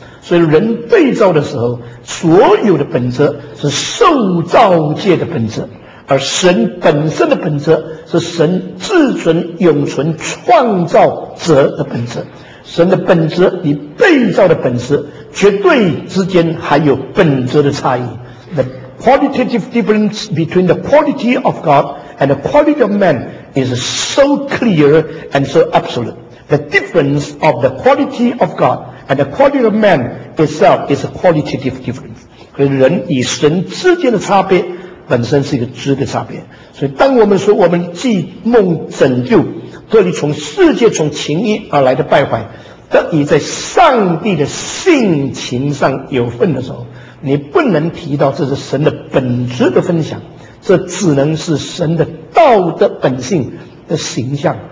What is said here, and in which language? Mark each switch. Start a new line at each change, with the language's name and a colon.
Chinese: 所以人被造的时候所有的本质是受造界的本质，而神本身的本质是神至尊永存创造者的本质。神的本质与被造的本质绝对之间还有本质的差异。
English: The qualitative difference between the quality of God and the quality of man is so clear and so absolute. The difference of the quality of God and the quality of man itself is a qualitative difference.
Chinese: 所以人与神之间的差别本身是一个质的差别。所以当我们说我们既蒙拯救，脱离从世界从情欲而来的败坏，得以在上帝的性情上有份的时候，你不能提到这是神的本质的分享，这只能是神的道德本性的形象。